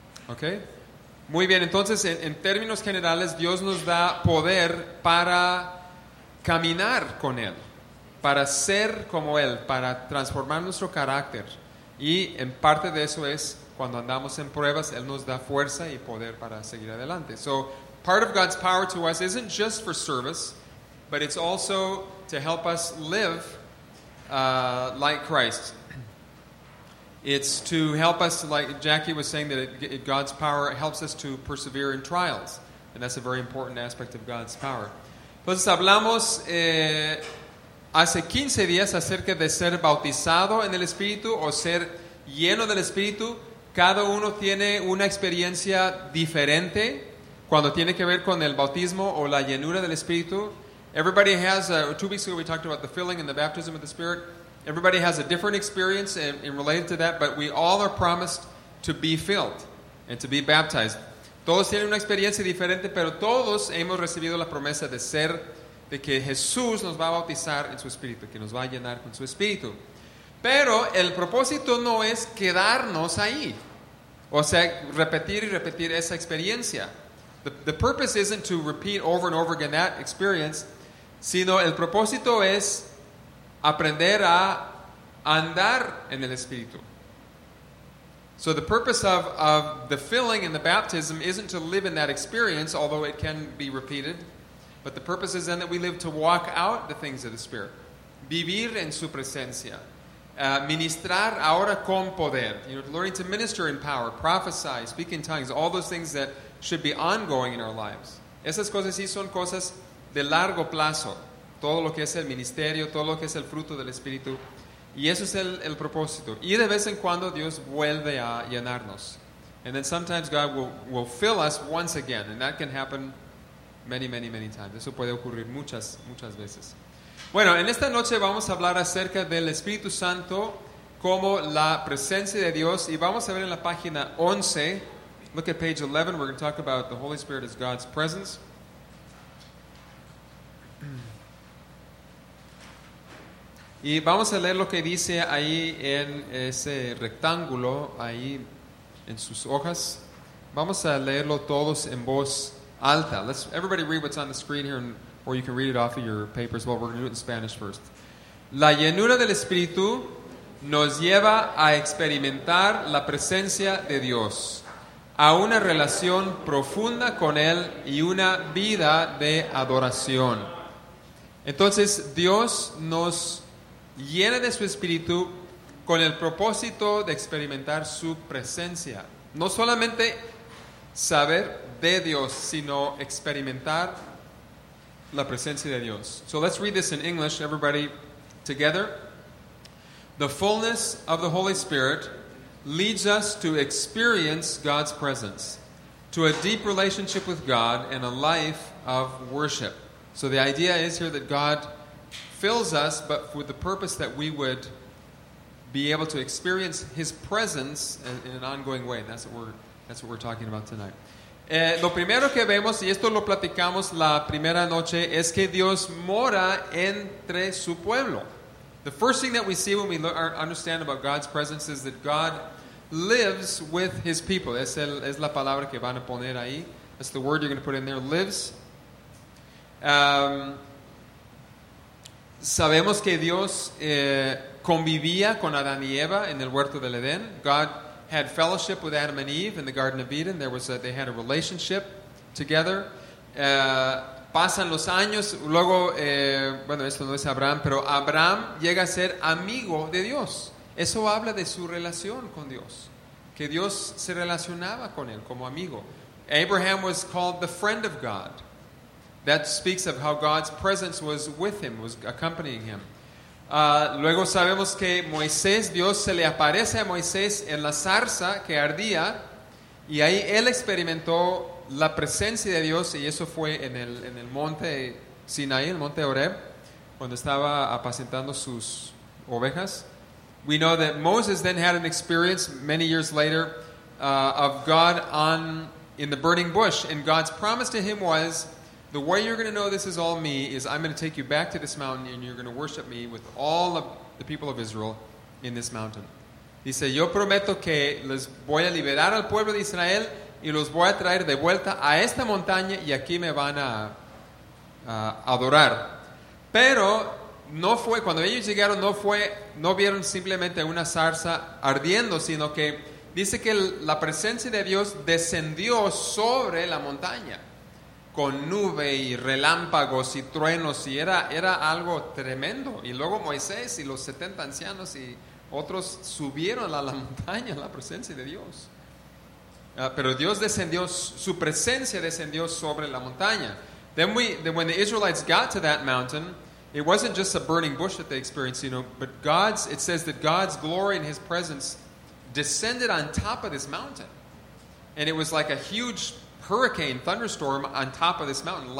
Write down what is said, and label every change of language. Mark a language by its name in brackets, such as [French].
[Spanish] Okay. Muy bien, entonces en términos generales Dios nos da poder para caminar con Él. Para ser como Él, para transformar nuestro carácter. Y en parte de eso es, cuando andamos en pruebas, Él nos da fuerza y poder para seguir adelante. [English] So, part of God's power to us isn't just for service, but it's also to help us live like Christ. It's to help us, like Jackie was saying, that God's power helps us to persevere in trials. And that's a very important aspect of God's power. [Spanish] Entonces hablamos... Hace 15 días acerca de ser bautizado en el Espíritu o ser lleno del Espíritu. Cada uno tiene una experiencia diferente cuando tiene que ver con el bautismo o la llenura del Espíritu. [English] Everybody has, 2 weeks ago we talked about the filling and the baptism of the Spirit. Everybody has a different experience in related to that, but we all are promised to be filled and to be baptized. [Spanish] Todos tienen una experiencia diferente, pero todos hemos recibido la promesa de ser de que Jesús nos va a bautizar en su Espíritu, que nos va a llenar con su Espíritu. Pero el propósito no es quedarnos ahí. O sea, repetir y repetir esa experiencia. [English] The purpose isn't to repeat over and over again that experience, [Spanish] sino el propósito es aprender a andar en el Espíritu. [English] So the purpose of the filling and the baptism isn't to live in that experience, although it can be repeated. But the purpose is then that we live to walk out the things of the Spirit. [Spanish] Vivir en su presencia. ministrar ahora con poder. [English] You know, learning to minister in power, prophesy, speak in tongues, all those things that should be ongoing in our lives. [Spanish] Esas cosas sí son cosas de largo plazo. Todo lo que es el ministerio, todo lo que es el fruto del Espíritu. Y eso es el propósito. Y de vez en cuando Dios vuelve a llenarnos. [English] And then sometimes God will fill us once again. And that can happen many, many, many times. [Spanish] Eso puede ocurrir muchas, muchas veces. Bueno, en esta noche vamos a hablar acerca del Espíritu Santo como la presencia de Dios. Y vamos a ver en la página 11. [English] Look at page 11. We're going to talk about the Holy Spirit as God's presence. [Spanish] Y vamos a leer lo que dice ahí en ese rectángulo, ahí en sus hojas. Vamos a leerlo todos en voz alta. [English] Let's everybody read what's on the screen here, or you can read it off of your paper as well. We're going to do it in Spanish first. [Spanish] La llenura del Espíritu nos lleva a experimentar la presencia de Dios, a una relación profunda con Él y una vida de adoración. Entonces, Dios nos llena de su Espíritu con el propósito de experimentar su presencia. No solamente saber de Dios, sino experimentar la presencia de Dios. [English] So let's read this in English, everybody together. The fullness of the Holy Spirit leads us to experience God's presence, to a deep relationship with God and a life of worship. So the idea is here that God fills us, but with the purpose that we would be able to experience His presence in an ongoing way. And that's what we're talking about tonight. [Spanish] Lo primero que vemos, y esto lo platicamos la primera noche, es que Dios mora entre su pueblo. [English] The first thing that we see when we understand about God's presence is that God lives with His people. [Spanish] Es la palabra que van a poner ahí. [English] That's the word you're going to put in there, lives. [Spanish] Sabemos que Dios convivía con Adán y Eva en el huerto del Edén. [English] God had fellowship with Adam and Eve in the Garden of Eden. They had a relationship together. [Spanish] Pasan los años. Luego, bueno, esto no es Abraham, pero Abraham llega a ser amigo de Dios. Eso habla de su relación con Dios. Que Dios se relacionaba con él como amigo. [English] Abraham was called the friend of God. That speaks of how God's presence was with him, was accompanying him. [Spanish] Luego sabemos que Moisés, Dios se le aparece a Moisés en la zarza que ardía, y ahí él experimentó la presencia de Dios, y eso fue en el monte Sinaí, el monte Horeb, cuando estaba apacentando sus ovejas. [English] We know that Moses then had an experience many years later of God in the burning bush, and God's promise to him was, the way you're going to know this is all me is I'm going to take you back to this mountain and you're going to worship me with all of the people of Israel in this mountain. [Spanish] Dice, yo prometo que les voy a liberar al pueblo de Israel y los voy a traer de vuelta a esta montaña y aquí me van a adorar. Pero no fue, cuando ellos llegaron, no vieron simplemente una zarza ardiendo, sino que dice que la presencia de Dios descendió sobre la montaña. Con nube y relámpagos y truenos, y era algo tremendo. Y luego Moisés y los 70 ancianos y otros subieron a la montaña en la presencia de Dios. Pero Dios descendió, su presencia descendió sobre la montaña. [English] Then when the Israelites got to that mountain, it wasn't just a burning bush that they experienced, you know, but it says that God's glory and His presence descended on top of this mountain. And it was like a huge hurricane, thunderstorm on top of this mountain.